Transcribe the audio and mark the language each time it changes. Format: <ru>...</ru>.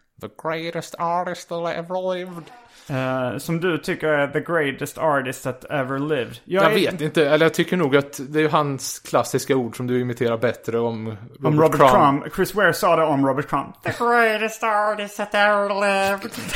<en>The greatest artist that ever lived.</en> <sv>Som du tycker är</sv> <en>the greatest artist that ever lived.</en> <sv>Jag vet inte, eller jag tycker nog att det är hans klassiska ord som du imiterar bättre om Robert, Crumb. Chris Ware sa det om Robert Crumb.</sv> <en>The greatest artist that ever lived.</en>